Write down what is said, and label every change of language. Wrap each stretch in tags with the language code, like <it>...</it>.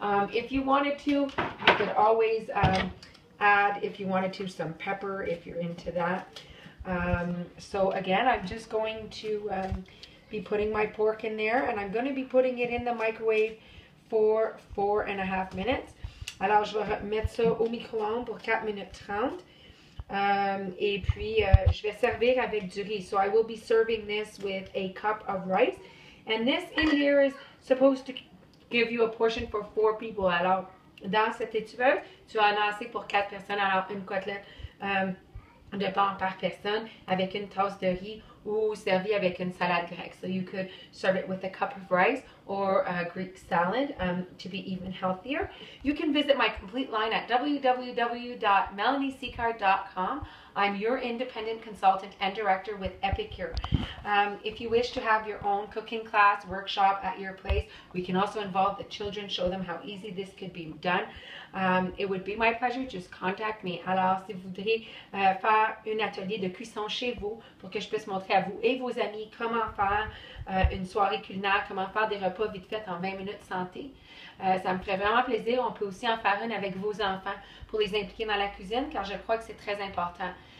<en>If you wanted to, you could always add, if you wanted to, some pepper, if you're into that. So again, I'm just going to be putting my pork in there, and I'm going to be putting it in the microwave for 4.5 minutes.</en> <fr>Alors, je vais mettre ça au micro-ondes pour 4 minutes 30. Et puis, je vais servir avec du riz.</fr> <en>So I will be serving this with a cup of rice. And this in here is supposed to give you a portion for 4 people.</en> <fr>Alors, dans cette étuveuse, tu en as assez pour 4 personnes. Alors, une côtelette de porc par personne avec une tasse de riz ou servi avec une salade grecque.</fr> <en>So you could serve it with a cup of rice or a Greek salad to be even healthier. You can visit my complete line at www.melaniesicard.com. I'm your independent consultant and director with Epicure. If you wish to have your own cooking class, workshop at your place, we can also involve the children, show them how easy this could be done. It would be my pleasure, just contact me.</en> <fr>Alors, si vous voudriez faire un atelier de cuisson chez vous pour que je puisse montrer à vous et vos amis comment faire une soirée culinaire, comment faire des repas vite fait en 20 minutes santé, ça me ferait vraiment plaisir. On peut aussi en faire une avec vos enfants pour les impliquer dans la cuisine, car je crois que c'est très important.</fr>